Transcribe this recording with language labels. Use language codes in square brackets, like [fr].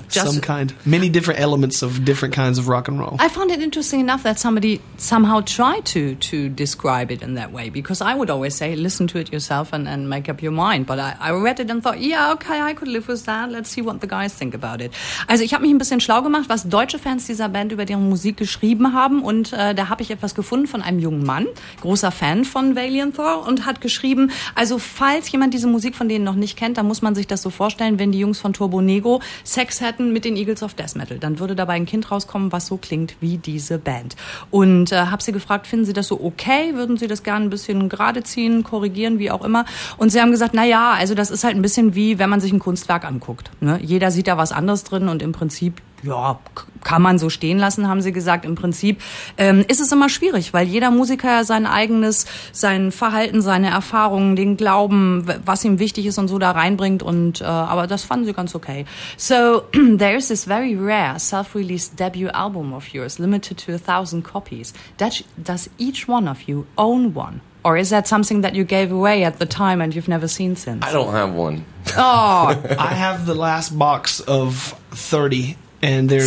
[en] Just some kind. Many different elements of different kinds of rock and roll. I found it interesting enough that somebody somehow tried to describe it in that way, because I would always say, listen to it yourself and make up your mind. But I read it and thought, yeah, okay, I could live with that. Let's see what the guys think about it. [de] Also ich habe mich ein bisschen schlau gemacht, was deutsche Fans dieser Band über deren Musik geschrieben haben. Und da habe ich etwas gefunden von einem jungen Mann, großer Fan von Valiant Thor, und hat geschrieben, also falls jemand diese Musik von denen noch nicht kennt, dann muss man sich das so vorstellen, wenn die Jungs von Turbo Negro Sex hätten mit den Eagles of Death Metal, dann würde dabei ein Kind rauskommen, was so klingt wie diese Band. Und habe sie gefragt, finden sie das so okay? Würden sie das gerne ein bisschen gerade ziehen, korrigieren, wie auch immer? Und sie haben gesagt, naja, also das ist halt ein bisschen wie, wenn man sich ein Kunstwerk anguckt. Ne? Jeder sieht da was anderes drin und im Prinzip, ja, kann man so stehen lassen, haben sie gesagt. Im Prinzip ist es immer schwierig, weil jeder Musiker ja sein eigenes, sein Verhalten, seine Erfahrungen, den Glauben, was ihm wichtig ist und so da reinbringt. Und aber das fanden sie ganz okay. [en] So, there is this very rare self-released debut album of yours, limited to 1,000 copies. Does each one of you own one? Or is that something that you gave away at the time and you've never seen since? I don't have one. Oh, I have the last box of 30. And there's,